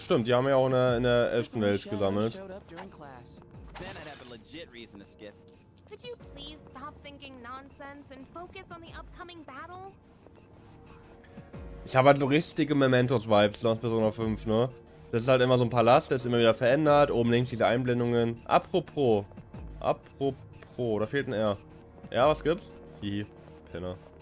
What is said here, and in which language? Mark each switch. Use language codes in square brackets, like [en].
[de] Stimmt, die haben ja auch in der ersten Welt gesammelt. [en] Could you please stop thinking nonsense and focus on the upcoming battle? [de] Ich habe halt so richtige Mementos-Vibes, sonst besonders 5, ne? Das ist halt immer so ein Palast, der ist immer wieder verändert. Oben links diese Einblendungen. Apropos, da fehlt ein R. Ja, was gibt's? Hihi, Penner.